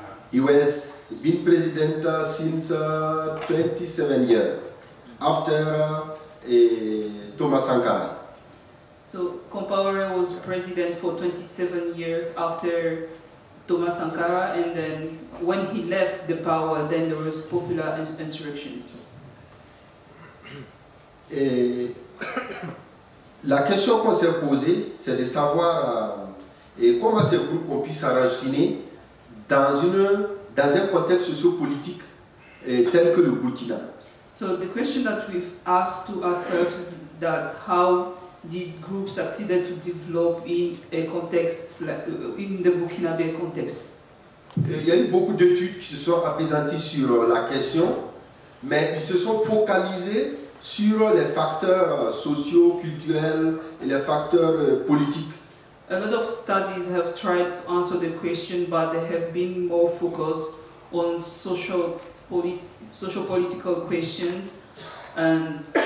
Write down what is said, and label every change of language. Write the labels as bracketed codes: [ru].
[en] He was been president since 27 years after Thomas Sankara. So Compaoré was president for 27 years after Thomas Sankara, and then when he left the power, then there was popular insurrections. [fr] La question qu'on s'est posée, c'est de savoir comment ces groupes ont pu s'enraciner dans un contexte sociopolitique tel que le Burkina. [en] So the question that we've asked to ourselves is that how did groups succeed to develop in a context like, in the Burkinabe context? [fr] Il y a eu beaucoup d'études qui se sont appesanties sur la question, mais ils se sont focalisés sur les facteurs sociaux, culturels et les facteurs politiques. [en] A lot of studies have tried to answer the question, but they have been more focused on social political questions and